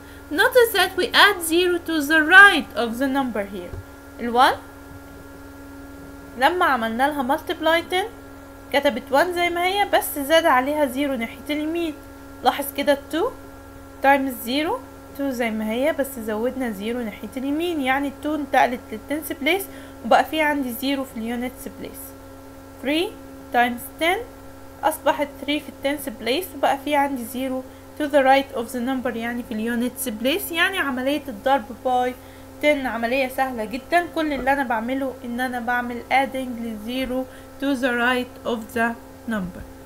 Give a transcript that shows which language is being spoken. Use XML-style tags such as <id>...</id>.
<en>Notice that we add 0 to the right of the number here.</en> <ar>الوان لما عملنا لها multiply 10 كتبت 1 زي ما هي بس زاد عليها 0 ناحية اليمين. لاحظ كده 2 times 0 2 زي ما هي بس زودنا 0 ناحية اليمين، يعني 2 انتقلت لل 10th place وبقى في عندي 0 في units place. 3 times 10 أصبحت 3 في 10th place وبقى في عندي 0</ar> <en>to the right of the number</en> <ar>يعني في units place. يعني عملية الضرب by 10 عملية سهلة جدا. كل اللي أنا بعمله إن أنا بعمل adding لزيرو</ar> <en>to the right of the number.</en>